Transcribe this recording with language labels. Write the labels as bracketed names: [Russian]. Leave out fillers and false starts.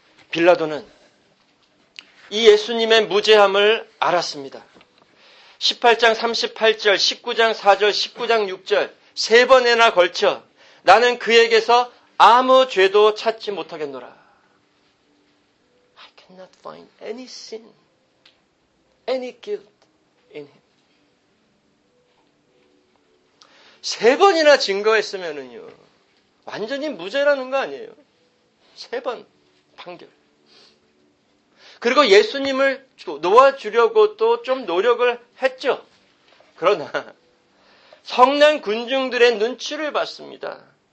[Korean] 빌라도는 이 예수님의 무죄함을 알았습니다. 18장 38절, 19장 4절, 19장 6절 세 번에나 걸쳐 나는 그에게서 아무 죄도 찾지 못하겠노라. [English] I cannot find any sin, any guilt in him. [Korean] 세 번이나 증거했으면은요, 완전히 무죄라는 거 아니에요. 세 번 판결. 그리고 예수님을 놓아주려고 또 좀 노력을 했죠. 그러나 성난 군중들의 눈치를 봤습니다.